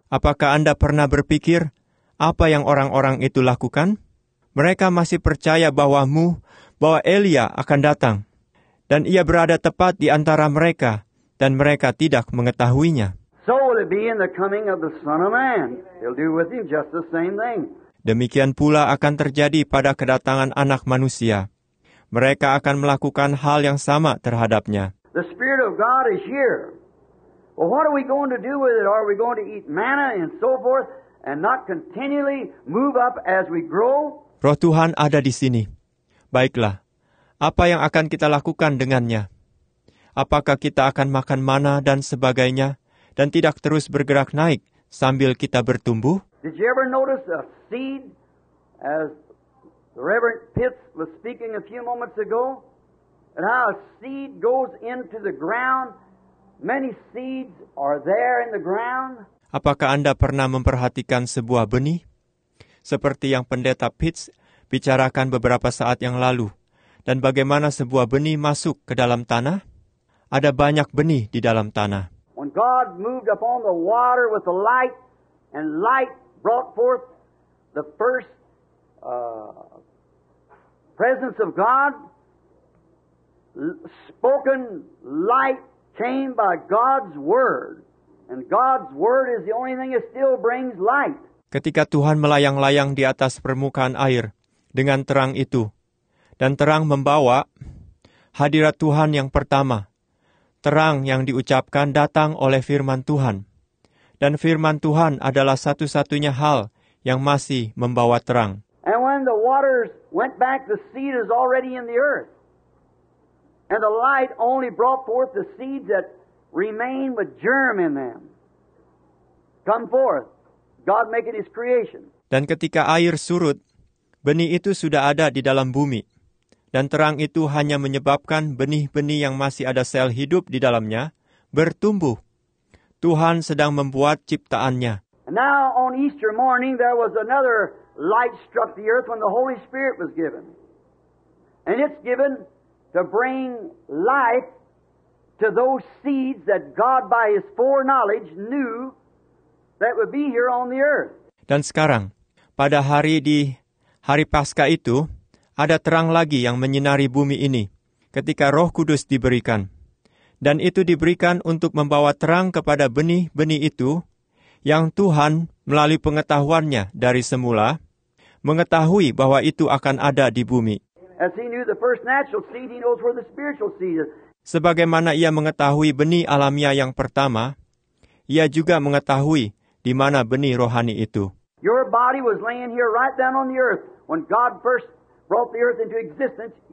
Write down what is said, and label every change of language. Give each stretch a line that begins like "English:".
Indonesian: Apakah Anda pernah berpikir apa yang orang-orang itu lakukan? Mereka masih percaya bahwa Elia akan datang dan ia berada tepat di antara mereka dan mereka tidak mengetahuinya.
English: So will it be in the coming of the Son of Man. He'll do with him just the same thing.
Indonesian: Demikian pula akan terjadi pada kedatangan Anak Manusia. Mereka akan melakukan hal yang sama terhadapnya.
English: The Spirit of God is here. Well, what are we going to do with it? Are we going to eat manna and so forth and not continually move up as we grow?
Indonesian: Roh Tuhan ada di sini. Baiklah, apa yang akan kita lakukan dengannya? Apakah kita akan makan manna dan sebagainya dan tidak terus bergerak naik sambil kita bertumbuh?
English: Did you ever notice a seed, as the Reverend Pitts was speaking a few moments ago, and how a seed goes into the ground? Many seeds are there in the ground.
Indonesian: Apakah Anda pernah memperhatikan sebuah benih? Seperti yang Pendeta Pitts bicarakan beberapa saat yang lalu, dan bagaimana sebuah benih masuk ke dalam tanah? Ada banyak benih di dalam tanah.
English: When God moved upon the water with the light, and light brought forth the first presence of God, spoken light came by God's Word. And God's Word is the only thing that still brings light.
Indonesian: Ketika Tuhan melayang-layang di atas permukaan air dengan terang itu, dan terang membawa hadirat Tuhan yang pertama, terang yang diucapkan datang oleh firman Tuhan. Dan firman Tuhan adalah satu-satunya hal yang masih membawa terang.
English: And when the waters went back, the seed is already in the earth. And the light only brought forth the seeds that remain with germ in them. Come forth. God make it his creation.
Indonesian: Dan ketika air surut, benih itu sudah ada di dalam bumi. Dan terang itu hanya menyebabkan benih-benih yang masih ada sel hidup di dalamnya bertumbuh. Tuhan sedang membuat ciptaannya.
English: Now on Easter morning there was another light struck the earth when the Holy Spirit was given. And it's given to bring life to those seeds that God by his foreknowledge knew that would be here on the earth.
Indonesian: Dan sekarang, pada hari Paskah itu, ada terang lagi yang menyinari bumi ini ketika Roh Kudus diberikan. Dan itu diberikan untuk membawa terang kepada benih-benih itu yang Tuhan melalui pengetahuannya dari semula mengetahui bahwa itu akan ada di bumi.
English: As he knew the first natural seed, he knows where the spiritual seed is.
Indonesian: Sebagaimana ia mengetahui benih alamiah yang pertama, ia juga mengetahui di mana benih rohani itu.
English: Your body was laying here right down on the earth when God first brought the earth into existence.